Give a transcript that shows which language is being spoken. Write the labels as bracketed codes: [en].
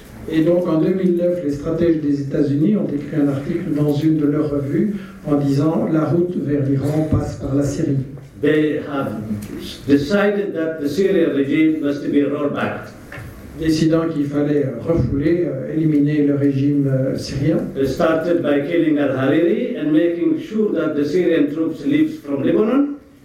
[fr] Et donc en 2009, les stratèges des États-Unis ont écrit un article dans une de leurs revues en disant "La route vers l'Iran passe par la Syrie." [en] They have decided that the Syrian regime must be rolled back. [fr] Décidant qu'il fallait refouler, éliminer le régime syrien. [en] They started by killing al-Hariri and making sure that the Syrian troops leave from Lebanon.